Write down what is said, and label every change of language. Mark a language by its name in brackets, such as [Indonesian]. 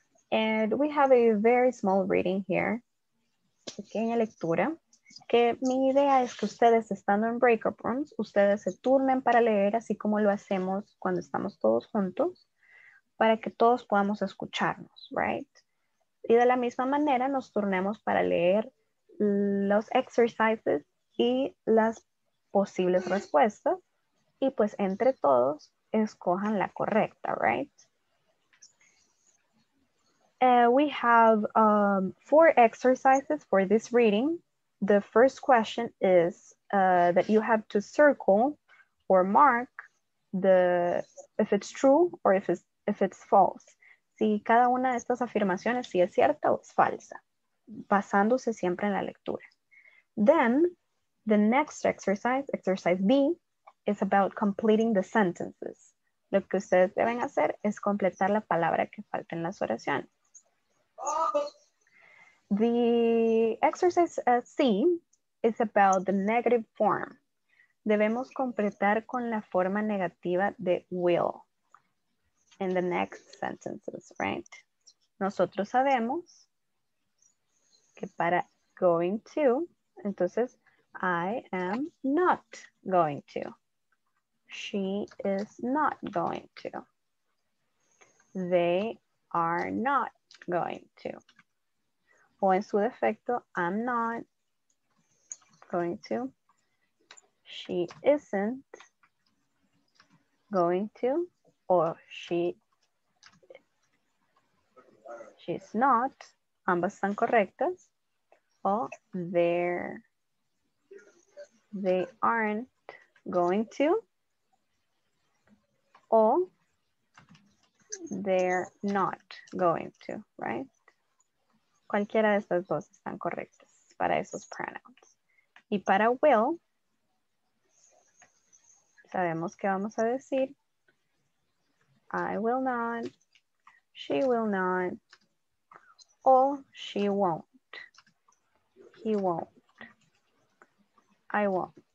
[English] And we have a very small reading here. [Spanish] Pequeña lectura. Que mi idea es que ustedes estando en breakout rooms, ustedes se turnen para leer así como lo hacemos cuando estamos todos juntos para que todos podamos escucharnos, right? Y de la misma manera nos turnemos para leer los exercises y las posibles respuestas y pues entre todos escojan la correcta, right? [English] We have four exercises for this reading. The first question is that you have to circle or mark the if it's true or if it's false. [Spanish] Si cada una de estas afirmaciones si es cierta o es falsa, basándose siempre en la lectura. [English] Then the next exercise, exercise B, is about completing the sentences. [Spanish] Lo que ustedes deben hacer es completar la palabra que falta en las oraciones. [English] The exercise C is about the negative form. [Spanish] Debemos completar con la forma negativa de will [English] in the next sentences, right? [Spanish] Nosotros sabemos que para [English] going to, entonces I am not going to. She is not going to. They are not going to. [Spanish] O en su defecto, [English] I'm not going to, she isn't going to, or she's not, [Spanish] ambas están correctas, [English] o they aren't going to, o they're not going to, right? [Spanish] Cualquiera de estas dos están correctas para esos pronouns. Y para will, sabemos que vamos a decir, [English] I will not, she will not, or she won't, he won't, I won't.